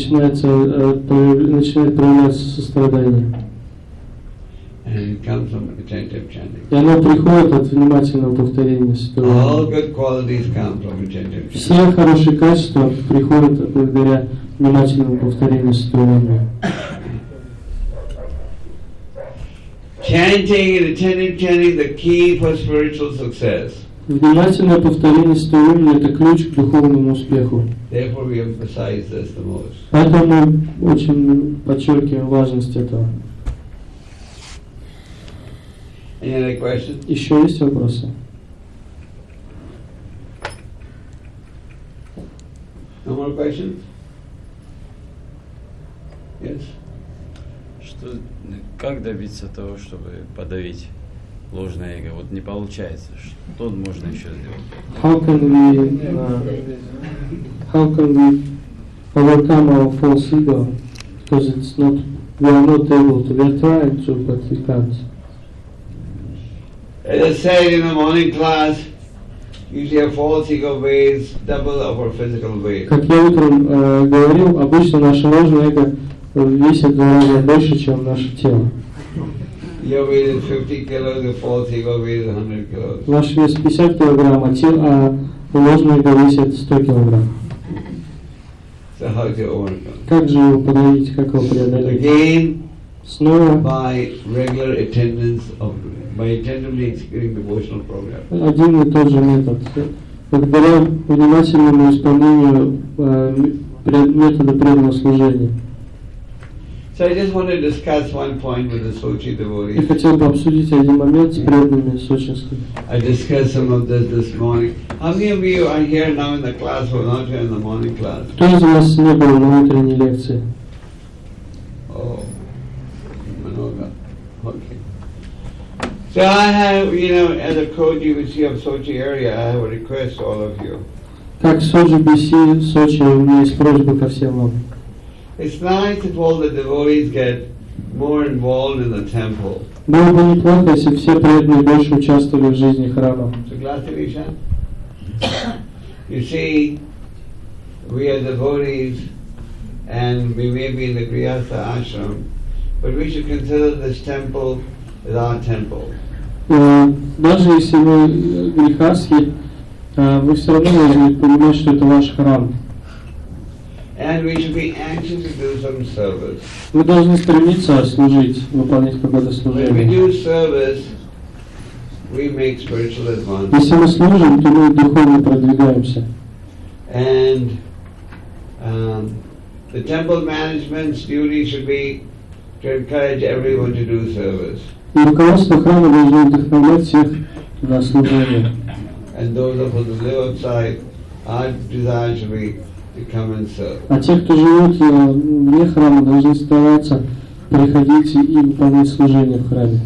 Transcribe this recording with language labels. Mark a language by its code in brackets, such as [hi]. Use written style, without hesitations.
[ru] начинает проявляться сострадание. [en] And it comes from attentive chanting. [ru] И оно приходит от внимательного повторения святого. [en] All good qualities come from attentive chanting. [ru] Все хорошие качества приходят благодаря внимательному повторению святого. [en] Chanting and attentive chanting the key for spiritual success. [ru] Внимательное повторение святого имени – это ключ к духовному успеху. [en] Therefore we emphasize this the most. [ru] Поэтому мы очень подчеркиваем важность этого. [en] Any other questions? [ru] Еще есть вопросы? [en] No more questions? Yes? [ru] Что, как добиться того, чтобы подавить ложное эго? Вот не получается. Что можно еще сделать? [en] How can we overcome our false ego? Because it's not, we are not able to. We are trying to, but we can't. As I said in the morning class, usually our false ego weighs double of our physical weight. [ru] Как я утром говорил, обычно наше ложное эго весит в два раза больше, чем наше тело. [en] Your weight is 50 kilos, your false ego weighs 100 kilos. [ru] Ваш вес 50 килограмм, а ложный ego весит 100 килограмм. [en] So how do you overcome? [ru] Как же его подавить, как его преодолеть? [en] Again, [ru] снова. [en] By regular attendance of, by attentively executing devotional program. [ru] Один и тот же метод. Благодаря внимательному исполнению метода преданного служения. [en] So I just want to discuss one point with the Sochi devotees. [ru] Я хотел бы обсудить один момент с преданными сочинскими. [en] I discussed some of this morning. How many of you are here now in the class or not here in the morning class? [ru] Кто из вас не был на утренней лекции? Oh, много. [en] Okay. So I have, you know, as a code you would see of Sochi area, I have a request to all of you. [ru] Как Sochi BC, Сочи, у меня есть просьба ко всем вам. [en] It's nice if all the devotees get more involved in the temple. [ru] Было бы неплохо, если все преданные больше участвовали в жизни храма. Согласен? [en] You see, we are devotees, and we may be in the Grihastha ashram, but we should consider this temple as our temple. [ru] Даже если вы грихасхи, вы все равно должны понимать, что это ваш храм. [en] And we should be anxious to do some service. [ru] Мы должны стремиться служить, выполнять какое-то служение. [en] When we do service, we make spiritual advance. [ru] Если мы служим, то мы духовно продвигаемся. [en] And the temple management's duty should be to encourage everyone to do service. [ru] И руководство храма должно вдохновлять всех на служение. [en] And those of us who live outside, our desire should be to come and serve. [ru] А те, кто живут вне храма, должны стараться приходить и выполнять служение в храме.